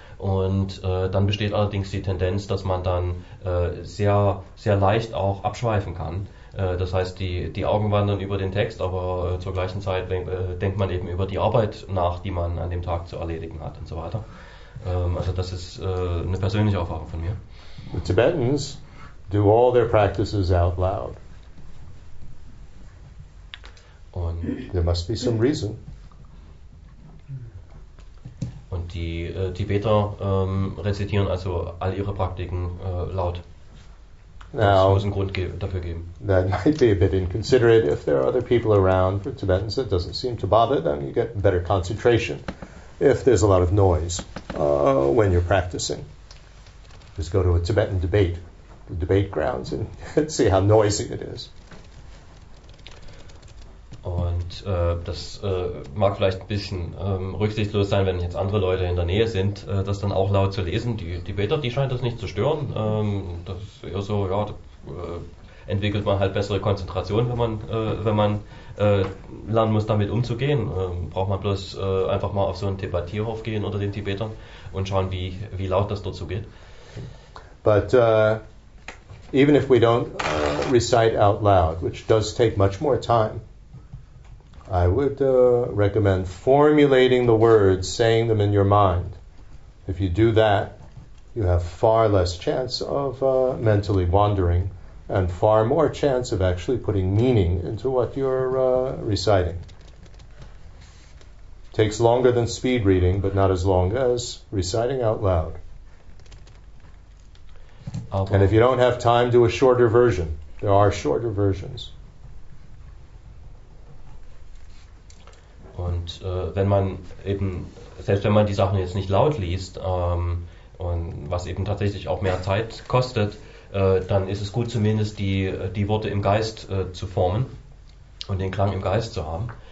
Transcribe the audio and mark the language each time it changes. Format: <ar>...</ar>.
<de>Und dann besteht allerdings die Tendenz, dass man dann sehr, sehr leicht auch abschweifen kann. Das heißt, die Augen wandern über den Text, aber zur gleichen Zeit denkt man eben über die Arbeit nach, die man an dem Tag zu erledigen hat und so weiter. Also das ist eine persönliche Erfahrung von mir.</de> <en>The Tibetans do all their practices out loud.</en> <de>Und</de> <en>there must be some reason.</en> <de>Und die Tibeter rezitieren also all ihre Praktiken laut.</de> <en>Now,</en> <de>es muss einen Grund dafür geben.</de> <en>That might be a bit inconsiderate if there are other people around. For Tibetans, it doesn't seem to bother them. You get better concentration if there's a lot of noise when you're practicing. Just go to a Tibetan debate, the debate grounds, and see how noisy it is.</en> <de>Und das mag vielleicht ein bisschen rücksichtslos sein, wenn jetzt andere Leute in der Nähe sind, das dann auch laut zu lesen. Die Tibeter, die scheint das nicht zu stören. Das ist eher so, ja, entwickelt man halt bessere Konzentration, wenn man lernen muss, damit umzugehen. Braucht man bloß einfach mal auf so einen Debattierhof gehen unter den Tibetern und schauen, wie laut das dazu geht.</de> <en>But even if we don't recite out loud, which does take much more time, I would recommend formulating the words, saying them in your mind. If you do that, you have far less chance of mentally wandering and far more chance of actually putting meaning into what you're reciting. takes longer than speed reading, but not as long as reciting out loud.</en> <de>Aber</de> <en>and if you don't have time, do a shorter version. There are shorter versions.</en> <de>Und wenn man eben, selbst wenn man die Sachen jetzt nicht laut liest, und was eben tatsächlich auch mehr Zeit kostet, dann ist es gut, zumindest die Worte im Geist zu formen und den Klang im Geist zu haben.</de>